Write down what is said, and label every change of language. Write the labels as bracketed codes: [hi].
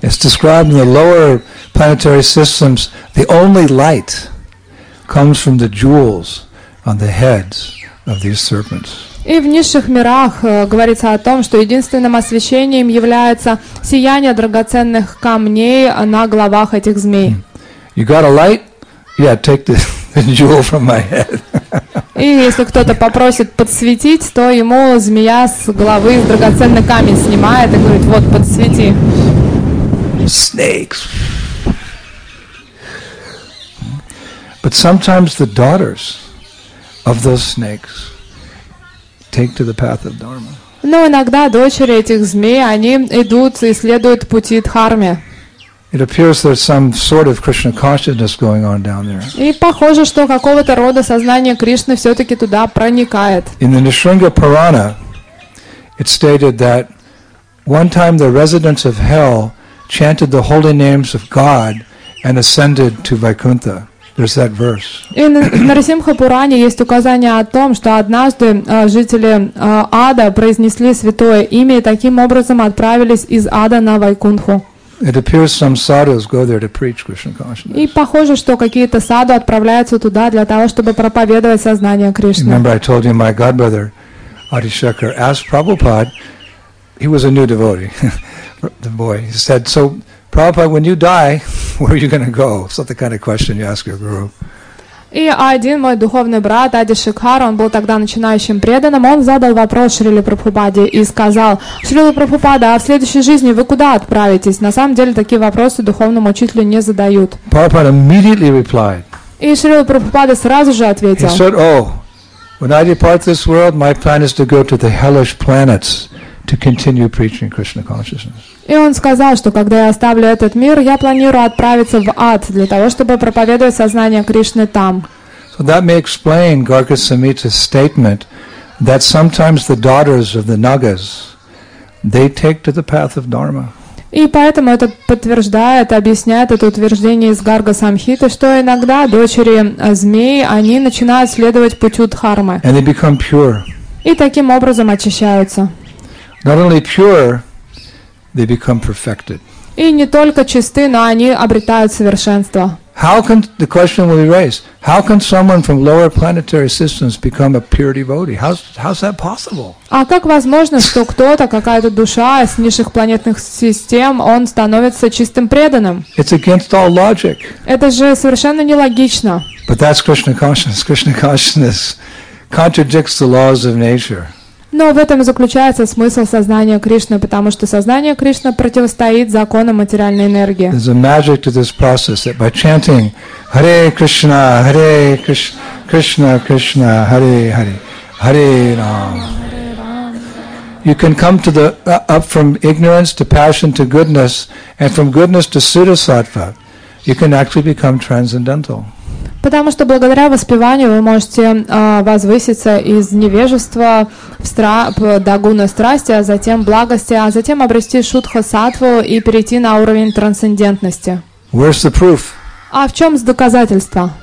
[en] It's described in the lower planetary systems, the only light comes from the jewels on the heads of these serpents. [ru] И в низших мирах говорится о том, что единственным освещением является сияние драгоценных камней на головах этих змей. [en] You got a light? Yeah, take the jewel from my head. [ru] И если кто-то попросит подсветить, то ему змея с головы драгоценный камень снимает и говорит: вот, подсвети. [en] Snakes. But sometimes the daughters of those snakes take to the path of Dharma. [ru] Но иногда дочери этих змей, они идут и следуют пути Дхарме. [en] It appears there's some sort of Krishna consciousness going on down there. [ru] И похоже, что какого-то рода сознание Кришны все-таки туда проникает. [en] In the Nisringa Purana, it stated that one time the residents of hell chanted the holy names of God and ascended to Vaikuntha. There's that verse. [ru] И в Нарасимха Пуране есть указание о том, что однажды жители ада произнесли святое имя и таким образом отправились из ада на Вайкунху. [en] It appears some sadhus go there to preach Krishna consciousness. [ru] И похоже, что какие-то саду отправляются туда для того, чтобы проповедовать сознание Кришны. [en] Remember, I told you my godbrother Adi Shankar asked Prabhupada. He was a new devotee, the boy. He said, "So, Prabhupada, when you die, where are you going to go?" It's not the kind of question you ask your guru. [ru] И один мой духовный брат Ади Шикхар, он был тогда начинающим преданным, он задал вопрос Шриле Прабхупаде и сказал: "Шрила Прабхупада, а в следующей жизни вы куда отправитесь?" На самом деле такие вопросы духовному учителю не задают. [en] Prabhupada immediately replied. [ru] И Шрила Прабхупада сразу же ответил. [en] He said, "Oh, when I depart this world, my plan is to go to the hellish planets to continue preaching Krishna consciousness." [ru] И он сказал, что когда я оставлю этот мир, я планирую отправиться в ад для того, чтобы проповедовать сознание Кришны там. [en] So that may explain Garga Samhita's statement that sometimes the daughters of the Nagas, they take to the path of Dharma. [ru] И поэтому это подтверждает, объясняет это утверждение из Гарга Самхиты, что иногда дочери змей, они начинают следовать путю Дхармы. [en] And they become pure. [ru] И таким образом очищаются. [en] Not only pure, they become perfected. [ru] И не только чисты, но они обретают совершенство. [en] How can the question will be raised? How can someone from lower planetary systems become a pure devotee? How's that possible? [ru] А как возможно, что кто-то, какая-то душа из низших планетных систем, он становится чистым преданным? [en] It's against all logic. [ru] Это же совершенно нелогично. [en] But that's Krishna consciousness. Krishna consciousness contradicts the laws of nature. [ru] Но в этом и заключается смысл сознания Кришны, потому что сознание Кришны противостоит законам материальной энергии. [en] There's a magic to this process that by chanting Hare Krishna, Hare Krishna, Krishna Krishna, Hare Hare, Hare Ram, you can come to the up from ignorance to passion to goodness, and from goodness to Siddhasattva, you can actually become transcendental. [ru] Потому что благодаря воспеванию вы можете возвыситься из невежества в до гуны страсти, а затем благости, а затем обрести шудха-сатву и перейти на уровень трансцендентности. [en] Where's the proof? [ru] А в чем доказательство?